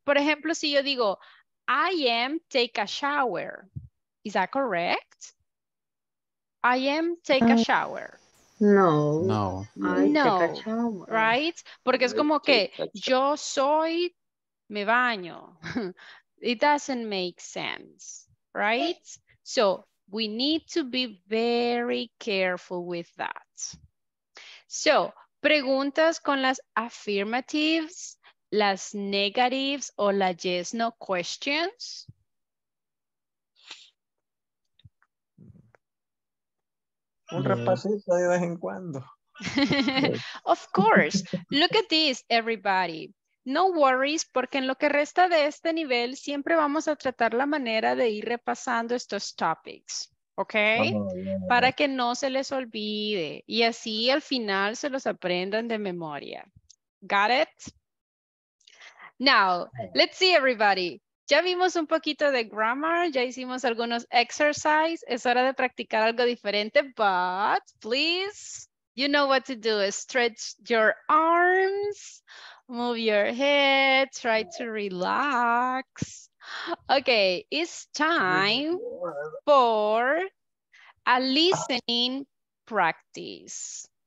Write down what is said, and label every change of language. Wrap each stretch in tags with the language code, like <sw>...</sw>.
<es>Por ejemplo, si yo digo,</es> <en>I am take a shower. Is that correct? I am take a shower. No. No. I take a shower. Right?</en> <es>Porque es como que yo soy, me baño.</es> <en>It doesn't make sense. Right? So we need to be very careful with that.</en> <es>So, preguntas con las affirmatives, las negatives, o las yes, no questions. Un repasito de vez en cuando.</es> <en>Of course. Look at this, everybody. No worries,</en> <es>porque en lo que resta de este nivel siempre vamos a tratar la manera de ir repasando estos topics. ¿Ok? Para que no se les olvide y así al final se los aprendan de memoria.</es> <en>Got it? Now, let's see everybody.</en> <es>Ya vimos un poquito de grammar, ya hicimos algunos exercises. Es hora de practicar algo diferente,</es> <en>but please, you know what to do. Stretch your arms, move your head, try to relax. Okay, it's time for a listening practice.</en>